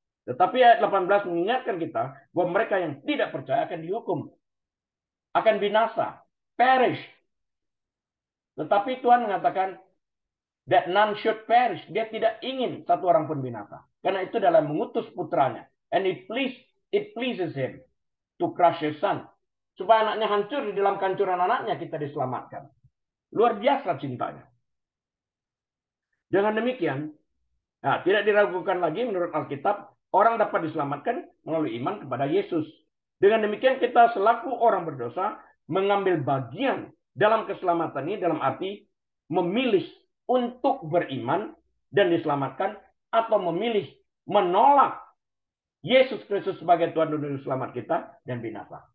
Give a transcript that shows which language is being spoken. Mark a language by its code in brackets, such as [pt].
[id] Tetapi ayat 18 mengingatkan kita bahwa mereka yang tidak percaya akan dihukum. Akan binasa. Perish. Tetapi Tuhan mengatakan [en] that none should perish. [id] Dia tidak ingin satu orang pun binasa. Karena itu dalam mengutus putranya. [en] And it pleases him to crush his son. [id] Supaya anaknya hancur, di dalam kehancuran anaknya kita diselamatkan. Luar biasa cintanya. Dengan demikian, nah, tidak diragukan lagi menurut Alkitab, orang dapat diselamatkan melalui iman kepada Yesus. Dengan demikian kita selaku orang berdosa mengambil bagian dalam keselamatan ini, dalam arti memilih untuk beriman dan diselamatkan, atau memilih menolak Yesus Kristus sebagai Tuhan dan Juru Selamat kita dan binasa.